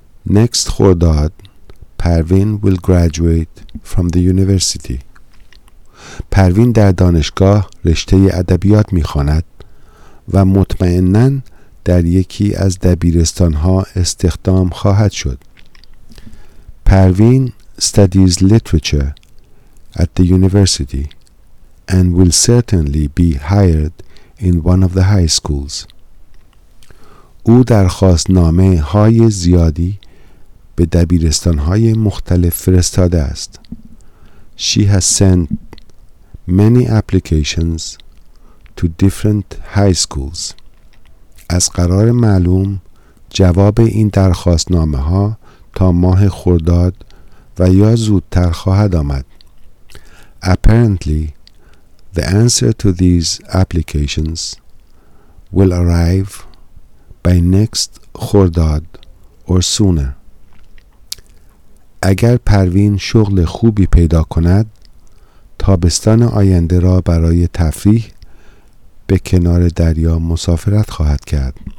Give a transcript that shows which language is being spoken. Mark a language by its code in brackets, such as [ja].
[en] Next خرداد پروین will graduate from the university. [fa] پروین در دانشگاه رشته ادبیات می‌خواند و مطمئناً در یکی از دبیرستان‌ها استخدام خواهد شد. [en] پروین studies literature at the university and will certainly be hired in one of the high schools. [fa] او درخواست نامه های زیادی به دبیرستان های مختلف فرستاده است. [en] She has sent many applications to different high schools. [fa] از قرار معلوم جواب این درخواست نامه ها تا ماه خرداد و یا زودتر خواهد آمد. [en] Apparently, the answer to these applications will arrive by next خرداد or sooner. [fa] اگر پروین شغل خوبی پیدا کند، تابستان آینده را برای تفریح به کنار دریا مسافرت خواهد کرد.